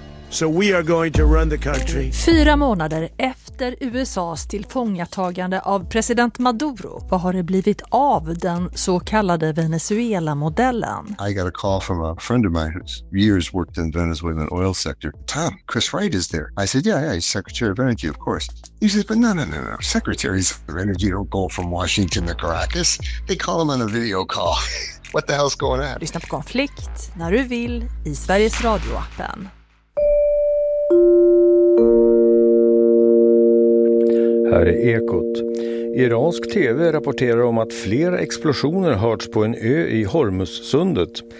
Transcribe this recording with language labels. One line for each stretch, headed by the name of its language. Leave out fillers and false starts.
English: So we are going to run the country.
Swedish: 4 månader efter USA:s tillfångatagande av president Maduro, vad har det blivit av den så kallade Venezuela-modellen?
English: I got a call from a friend of mine who's years worked in Venezuelan oil sector. Tom, Chris Wright is there. I said, yeah, he's Secretary of Energy, of course. He says, but no. Secretaries of Energy don't go from Washington to Caracas. They call him on a video call. What the hell's going on?
Swedish: Lyssna på Konflikt när du vill i Sveriges radioappen. Här är Ekot. Iransk TV rapporterar om att flera explosioner hörts på en ö i Hormuzsundet.